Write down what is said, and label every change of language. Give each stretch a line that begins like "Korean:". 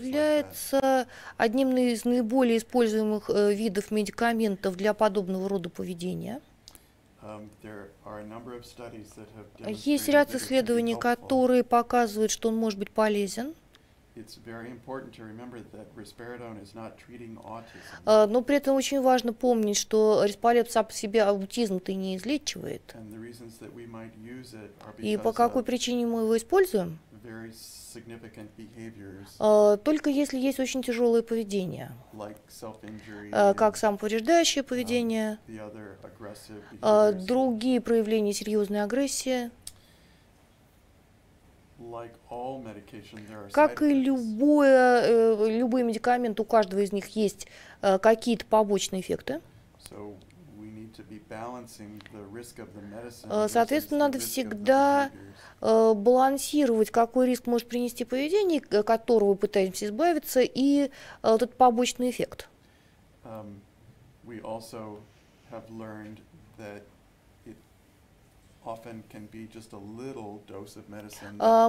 Russian: Является одним из наиболее используемых видов медикаментов для подобного рода поведения.
English: There are a number of studies that have demonstrated.
Russian: Есть ряд исследований, которые показывают, что он может быть полезен.
English: It's very important to remember that risperidone is not treating autism.
Russian: Но при этом очень важно помнить, что Риспалепт сам по себе аутизм-то не излечивает.
English: And the reasons that we might use it are because
Russian: и по какой причине мы его используем?
English: Very significant behaviors.
Russian: Только если есть очень тяжелое поведение.
English: Like self-injury.
Russian: Как самоповреждающее поведение.
English: The other aggressive behaviors.
Russian: Другие проявления серьезной агрессии.
English: Like all medication, there are side effects.
Russian: Как и любой медикамент, у каждого из них есть какие-то побочные эффекты.
English: So we need to be balancing the risk of the medicine.
Russian: Соответственно, надо всегда балансировать, какой риск может принести поведение, которого пытаемся избавиться, и этот побочный эффект.
English: We also have learned that often can be just a little dose of medicine.